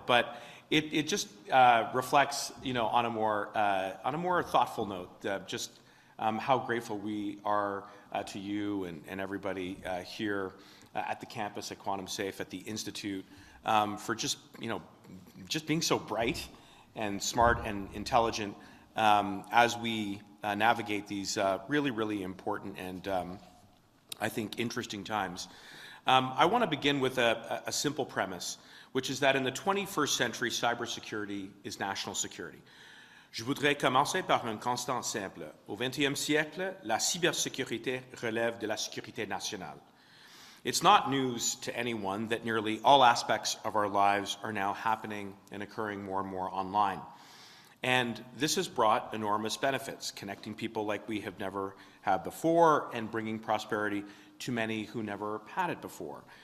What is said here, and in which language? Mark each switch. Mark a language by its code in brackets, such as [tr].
[en] But it just reflects, you know, on a more thoughtful note, just how grateful we are to you and everybody here at the campus at Quantum Safe, at the Institute, for just, you know, just being so bright and smart and intelligent as we navigate these really, really important and I think interesting times. I want to begin with a simple premise, which is that in the 21st century, cybersecurity is national security. [fr] Je voudrais commencer par un constat simple. Au 20e siècle, la cybersécurité relève de la sécurité nationale. [en] It's not news to anyone that nearly all aspects of our lives are now happening and occurring more and more online. And this has brought enormous benefits, connecting people like we have never had before and bringing prosperity to many who never had it before.